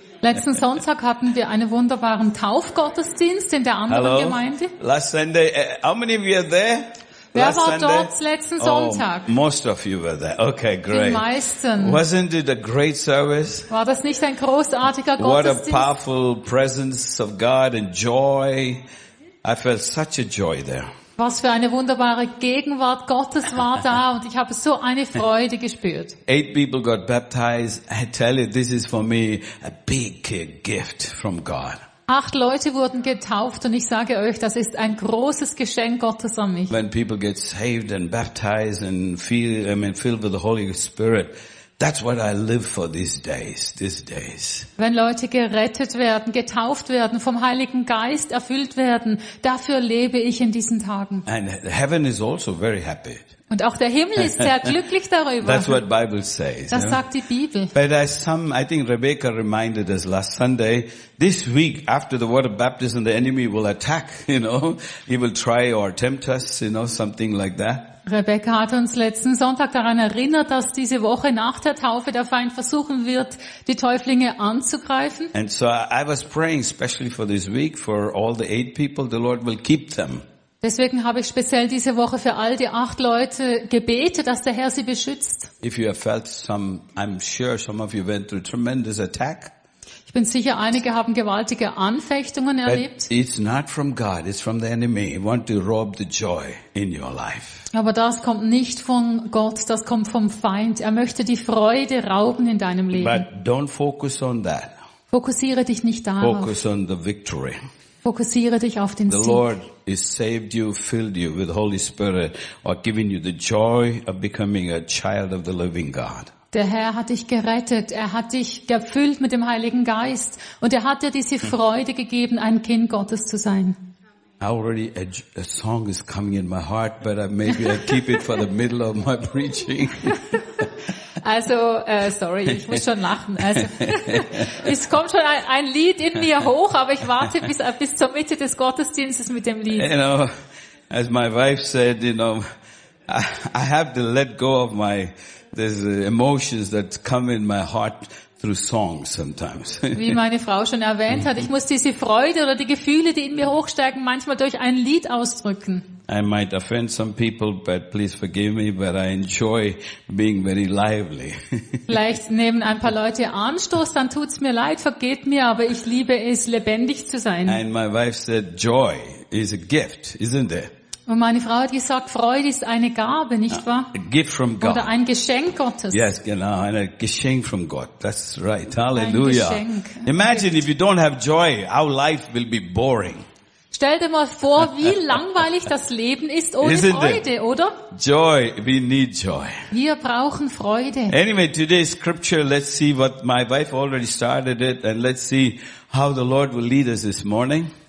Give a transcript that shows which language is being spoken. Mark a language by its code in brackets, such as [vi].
[de] Letzten Sonntag hatten wir einen wunderbaren Taufgottesdienst in der anderen [en] Hello. [de] Gemeinde. [en] Last Sunday, how many of you are there? [de] Wer [en] Last [de] war [en] Sunday? [de] Dort letzten Sonntag? [en] Oh, most of you were there. Okay, great. [de] Die meisten. [en] Wasn't it a great service? [de] War das nicht ein großartiger Gottesdienst? [en] What a powerful presence of God and joy. I felt such a joy there. [de] Was für eine wunderbare Gegenwart Gottes war da und ich habe so eine Freude gespürt. [en] 8 people got baptized. I tell you, this is for me a big gift from God. [de] 8 Leute wurden getauft und ich sage euch, das ist ein großes Geschenk Gottes an mich. [en] When people get saved and baptized and filled with the Holy Spirit, that's what I live for these days. [de] Wenn Leute gerettet werden, getauft werden, vom Heiligen Geist erfüllt werden, dafür lebe ich in diesen Tagen. [en] And heaven is also very happy. [de] Und auch der Himmel ist sehr glücklich darüber. [en] That's what Bible says. [de] Das sagt die Bibel. [en] But as some, I think Rebecca reminded us last Sunday, this week after the water baptism, the enemy will attack, you know, he will try or tempt us, you know, something like that. [de] Rebecca hat uns letzten Sonntag daran erinnert, dass diese Woche nach der Taufe der Feind versuchen wird, die Täuflinge anzugreifen. [en] And so I was praying especially for this week for all the 8 people, the Lord will keep them. [de] Deswegen habe ich speziell diese Woche für all die 8 Leute gebetet, dass der Herr sie beschützt. [en] If you have felt some, I'm sure some of you went through a tremendous attack. [de] Ich bin sicher, einige haben gewaltige Anfechtungen erlebt. [en] But it's not from God, it's from the enemy. He wants to rob the joy in your life. [de] Aber das kommt nicht von Gott, das kommt vom Feind. Er möchte die Freude rauben in deinem Leben. [en] But don't focus on that. [de] Fokussiere dich nicht darauf. [en] Focus on the victory. [de] Fokussiere dich auf den [en] the [de] Sieg. [en] Lord has saved you, filled you with the Holy Spirit, or given you the joy of becoming a child of the living God. [de] Der Herr hat dich gerettet, er hat dich gefüllt mit dem Heiligen Geist und er hat dir diese Freude gegeben, ein Kind Gottes zu sein. [en] Already a song is coming in my heart, but maybe I keep it for the middle of my preaching. [de] Also, sorry, ich muss schon lachen. Also, es kommt schon ein Lied in mir hoch, aber ich warte bis zur Mitte des Gottesdienstes mit dem Lied. [en] You know, as my wife said, you know, I have to let go of my there's emotions that come in my heart through songs sometimes. [de] Wie meine Frau schon erwähnt hat, ich muss diese Freude oder die Gefühle, die in mir hochsteigen, manchmal durch ein Lied ausdrücken. [en] I might offend some people, but please forgive me, but I enjoy being very lively. [de] Vielleicht nehmen ein paar Leute Anstoß, dann tut's mir leid, vergeht mir, aber ich liebe es, lebendig zu sein. [en] And my wife said, joy is a gift, isn't it? [de] Und meine Frau hat gesagt, Freude ist eine Gabe, nicht wahr? [en] A gift from God. [de] Oder ein Geschenk Gottes. [en] Yes, [de] genau, ein Geschenk von Gott. [en] That's right. [de] Halleluja. Ein Geschenk. [en] Imagine if you don't have joy, our life will be boring. [de] Stell dir mal vor, wie langweilig das Leben ist ohne [en] Isn't [de] Freude, [en] it? [de] Oder? [en] Joy, we need joy. [de] Wir brauchen Freude. [en] Anyway, today's scripture, let's see what my wife already started it and let's see how the Lord will lead us this morning.